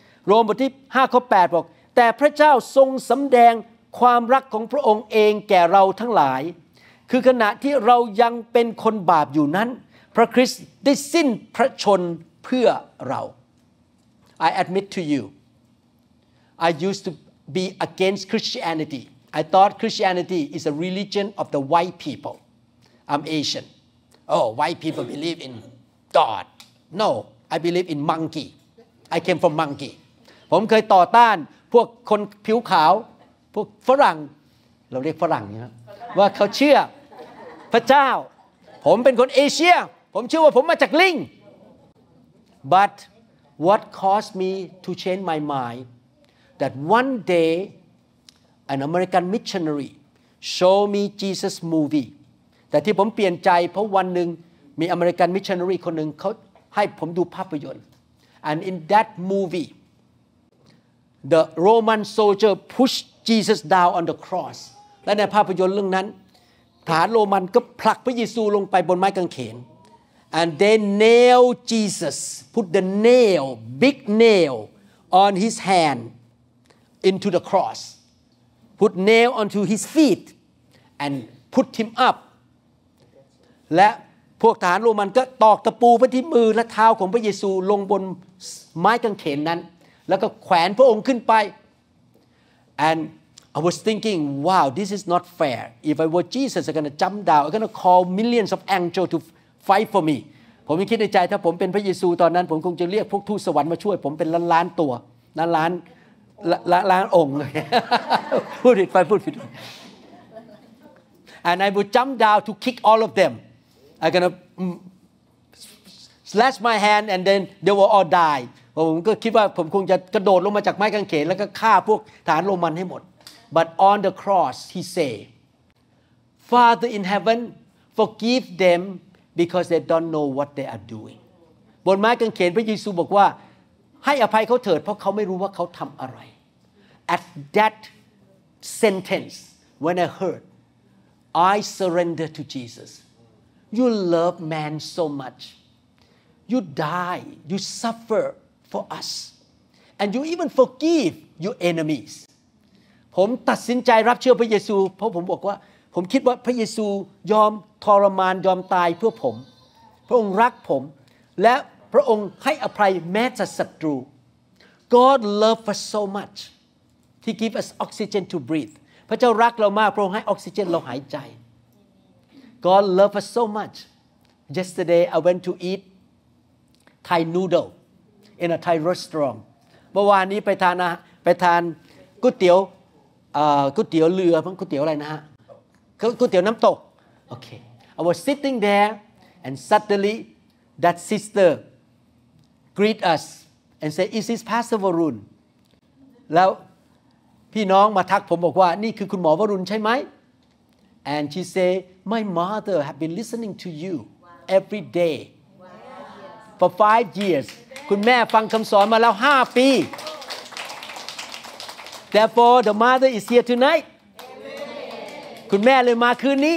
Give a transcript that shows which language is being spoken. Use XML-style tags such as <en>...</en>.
<th>Romans บทที่5ข้อ8บอกแต่พระเจ้าทรงสำแดงความรักของพระองค์เองแก่เราทั้งหลายคือขณะที่เรายังเป็นคนบาปอยู่นั้นพระคริสต์ได้สิ้นพระชนเพื่อเรา</th> <en>I admit to you, I used to be against Christianity. I thought Christianity is a religion of the white people. I'm Asian. Oh, white people believe in God. No, I believe in monkey. I came from monkey.</en> <th>ผมเคยต่อต้านพวกคนผิวขาวพวกฝรั่งเราเรียกฝรั่งนะว่าเขาเชื่อพระเจ้าผมเป็นคนเอเชียผมเชื่อว่าผมมาจากลิง</th> <en>butWhat caused me to change my mind that one day an American missionary showed me Jesus movie</en> <th>แต่ที่ผมเปลี่ยนใจเพราะวันหนึ่งมีอเมริกันมิชชันนารีคนหนึ่งเขาให้ผมดูภาพยนตร์</th> <en>and in that movie the Roman soldier pushed Jesus down on the cross</en> <th>และในภาพยนตร์เรื่องนั้นทหารโรมันก็ผลักพระเยซูลงไปบนไม้กางเขน</th> <en>And they nailed Jesus, put the nail, big nail, on his hand, into the cross. Put nail onto his feet, and put him up.</en> <th>และพวกทหารโรมันก็ตอกตะปูไปที่มือและเท้าของพระเยซูลงบนไม้กางเขนนั้นแล้วก็แขวนพระองค์ขึ้นไป</th> <en>And I was thinking, wow, this is not fair. If I were Jesus, I'm going to jump down. I'm going to call millions of angels toFight for me.</en> <th>ผมคิดในใจถ้าผมเป็นพระเยซูตอนนั้นผมคงจะเรียกพวกทูตสวรรค์มาช่วยผมเป็นล้านๆตัวล้านๆล้านๆองค์เลยพูดผิดไปพูดผิด</th> <en>And I would jump down to kick all of them. I'm going to slash my hand and then they will all die.</en> <th>ผมก็คิดว่าผมคงจะกระโดดลงมาจากไม้กางเขนแล้วก็ฆ่าพวกทหารโรมันให้หมด</th> <en>But on the cross he say, Father in heaven, forgive themBecause they don't know what they are doing.</en> <th>บนไม้กางเขนพระเยซูบอกว่าให้อภัยเขาเถิดเพราะเขาไม่รู้ว่าเขาทำอะไร</th> <en>At that sentence, when I heard, I surrender to Jesus. You love man so much. You die, you suffer for us. And you even forgive your enemies.</en> <th>ผมตัดสินใจรับเชื่อพระเยซูเพราะผมบอกว่าผมคิดว่าพระเยซูยอมทรมานยอมตายเพื่อผมพระองค์รักผมและพระองค์ให้อภัยแม้แต่ศัตรู</th> <en>God love us so much He give us oxygen to breathe</en> <th>พระเจ้ารักเรามากพระองค์ให้ออกซิเจนเราหายใจ</th> <en>God love us so much Yesterday I went to eat Thai noodle in a Thai restaurant</en> <th>เมื่อวานนี้ไปทานก๋วยเตี๋ยวก๋วยเตี๋ยวเรือพังก๋วยเตี๋ยวอะไรนะฮะก๋วยเตี๋ยวน้ำตก</th> <en>โอเค I was sitting there and suddenly that sister greet us and say is this Pastor Varun</en> <th>แล้วพี่น้องมาทักผมบอกว่านี่คือคุณหมอวรุณใช่ไหม</th> <en>and she say my mother have been listening to you every day for 5 years</en> <th>คุณแม่ฟังคำสอนมาแล้ว5ปี</th> <en>therefore the mother is here tonight</en> <th>คุณแม่เลยมาคืนนี</th>